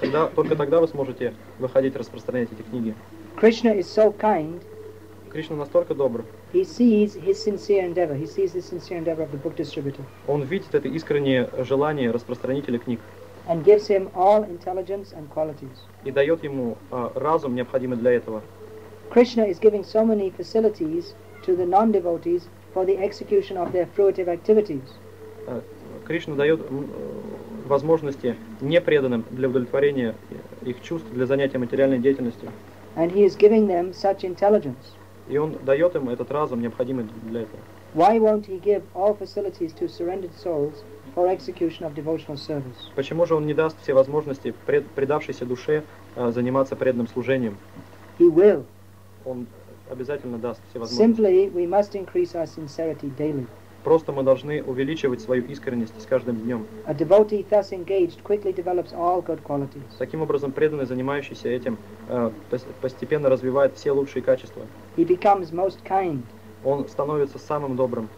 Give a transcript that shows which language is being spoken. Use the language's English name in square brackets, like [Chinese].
[Russian] Тогда только тогда вы сможете выходить распространять эти книги. [English] Krishna is so kind. [Russian] Кришна настолько добр. [English] He sees his sincere endeavor. He sees the sincere endeavor of the book distributor. [Russian] Он видит это искреннее желание распространителя книг. [English] And gives him all intelligence and qualities. [Russian] И дает ему разум, необходимый для этого. [English] Krishna is giving so many facilities to the non-devotees for the execution of their fruitive activities. [Russian] Кришна дает возможности непреданным для удовлетворения их чувств, для занятия материальной деятельностью. [English] And he is giving them such intelligence. [Russian] И он дает им этот разум, необходимый для этого. [English] Why won't he give all facilities to surrendered souls for execution of devotional service? [Russian] Почему же он не даст все возможности предавшейся душе заниматься преданным служением? [English] He will. [Russian] Он обязательно даст все возможности. [English] Simply, we must increase our sincerity daily. [Russian] Просто мы должны увеличивать свою искренность с каждым днем. [English] A devotee thus engaged quickly develops all good qualities. [Russian] Таким образом, преданный, занимающийся этим, постепенно развивает все лучшие качества. [English] He becomes most kind. [Russian] Он становится самым добрым.